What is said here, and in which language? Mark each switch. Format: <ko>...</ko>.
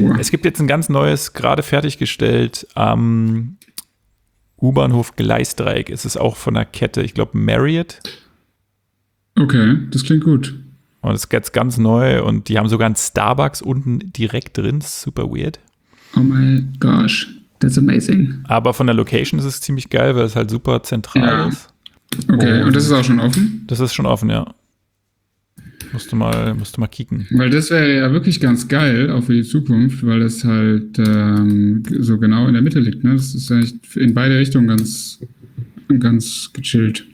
<de>Es gibt jetzt ein ganz neues, gerade fertiggestellt am U-Bahnhof Gleisdreieck. Es ist auch von der Kette, ich glaube Marriott. Okay, das klingt gut. Und es ist jetzt ganz neu und die haben sogar ein Starbucks unten direkt drin.</de> <en>Super weird. Oh my gosh, that's amazing.</en> <de>Aber von der Location ist es ziemlich geil, weil es halt super zentral ist. Okay, und das ist auch schon offen? Das ist schon offen, ja. Musst du mal kicken. Weil das wäre ja wirklich ganz geil, auch für die Zukunft, weil das halt so genau in der Mitte liegt. Ne? Das ist echt in beide Richtungen ganz, ganz gechillt.</de>